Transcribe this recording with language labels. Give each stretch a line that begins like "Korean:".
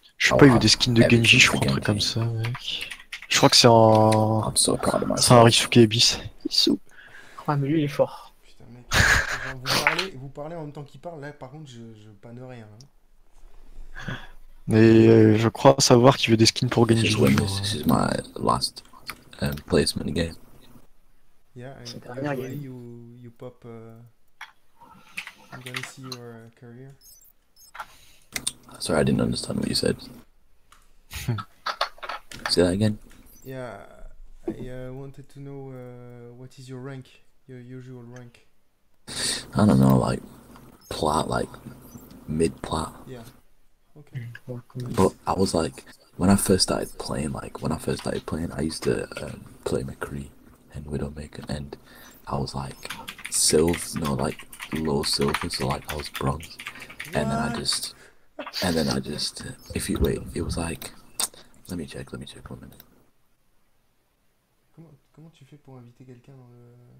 French: Je sais pas, il veut des skins de Genji, je crois, un truc comme ça, mec. Je crois que c'est en. C'est un Risuke Ebis. Ah, mais lui, il est fort. Putain, mec. Genre, vous parlez en même temps qu'il parle, là, par contre, je panne rien. Hein. Mais je crois savoir qu'il veut des skins pour Genji.
English: This is my last placement game. Yeah, and you pop. I'm gonna see your career. Sorry, I didn't understand what you said. Say that again. Yeah, I wanted to know what is your rank, your usual rank. I don't know, like plat, like mid plat. Yeah. Okay. But I was like, when I first started playing, I used to play McCree and Widowmaker, and I was like silver, no, like low silver, so like I was bronze. What? And then I just, if you wait, it was like, let me check 1 minute.
French: Comment tu fais pour inviter quelqu'un dans le...